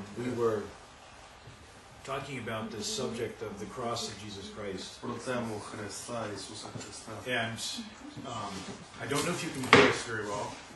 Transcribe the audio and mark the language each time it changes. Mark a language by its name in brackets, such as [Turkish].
[English] We were talking about the subject of the cross of Jesus Christ. [Ukrainian] Про тему Христа, Ісуса Христа. [English] And I don't know if you can hear us very well.